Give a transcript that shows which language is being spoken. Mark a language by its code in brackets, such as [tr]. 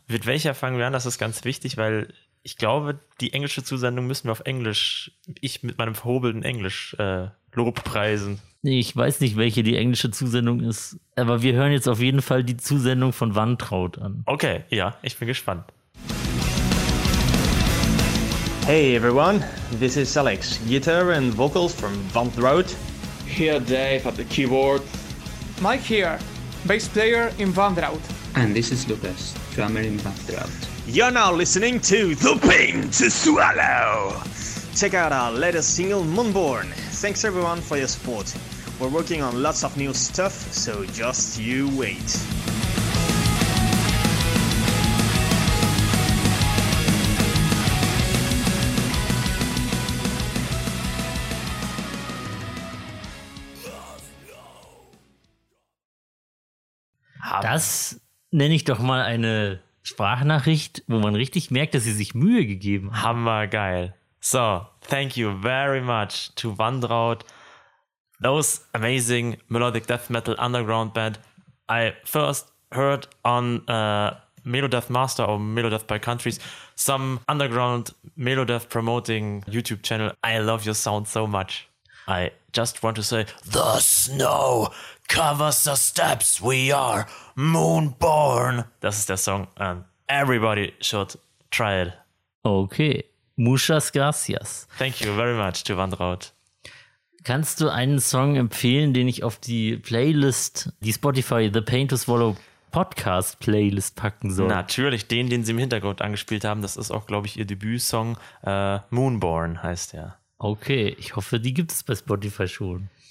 [de] Mit welcher fangen wir an? Das ist ganz wichtig, weil ich glaube, die englische Zusendung müssen wir auf Englisch, ich mit meinem verhobelten Englisch, lobpreisen. Nee, ich weiß nicht, welche die englische Zusendung ist, aber wir hören jetzt auf jeden Fall die Zusendung von Wantraut an. Okay, ja, ich bin gespannt. [en] Hey everyone, this is Alex, guitar and vocals from Wantraut. Here Dave at the keyboard. Mike here, bass player in Wantraut. And this is Lucas, drummer in Wantraut. You're now listening to The Pain to Swallow. Check out our latest single, Moonborn. Thanks everyone for your support. We're working on lots of new stuff, so just you wait. [de] Das nenne ich doch mal eine Sprachnachricht, wo man richtig merkt, dass sie sich Mühe gegeben haben. Hammer geil. [en] So, thank you very much to Wantraut, those amazing melodic death metal underground band I first heard on Melodeath Master or Melodeath by Countries, some underground Melodeath promoting YouTube channel. I love your sound so much. I just want to say, the snow covers the steps, we are Moonborn. [de] Das ist der Song [en] and everybody should try it. [es] Okay, muchas gracias. [en] Thank you very much to Wantraut. [de] Kannst du einen Song empfehlen, den ich auf die Playlist, die Spotify The Pain to Swallow Podcast-Playlist packen soll. Natürlich, den sie im Hintergrund angespielt haben. Das ist auch, glaube ich, ihr Debütsong. Moonborn heißt der. Okay, ich hoffe, die gibt es bei Spotify schon.